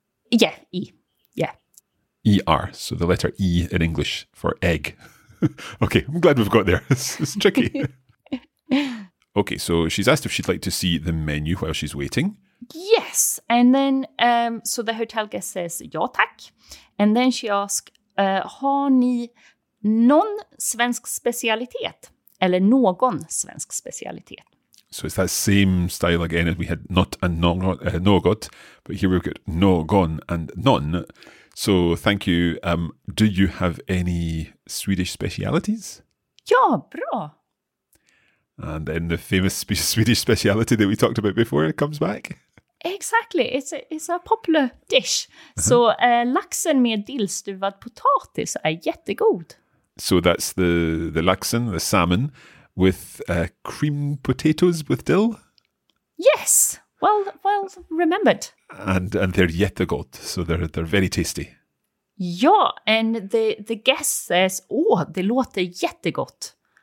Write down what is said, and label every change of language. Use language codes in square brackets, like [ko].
[en] Yeah, E, yeah. E-R, so the letter E in English for egg. Okay, I'm glad we've got there. It's tricky. Okay, so she's asked if she'd like to see the menu while she's waiting. Yes, and then, so the hotel guest says, [sv] ja tack. [en] And then she asks, [sv] har ni någon svensk specialitet? Eller någon svensk specialitet? [en] So it's that same style again as we had not and något, but here we've got någon and non. So thank you. Do you have any Swedish specialities? [sv] Ja, bra. [en] And then the famous Swedish speciality that we talked about before comes back. Exactly. It's a popular dish. [sv] So laxen med dillstuvad potatis är jättegod. [en] So that's the laxen, the salmon, with cream potatoes with dill? Yes. Well remembered. And they're jättegod. So they're very tasty. Ja, and the guest says, oh, [sv] det låter jättegott.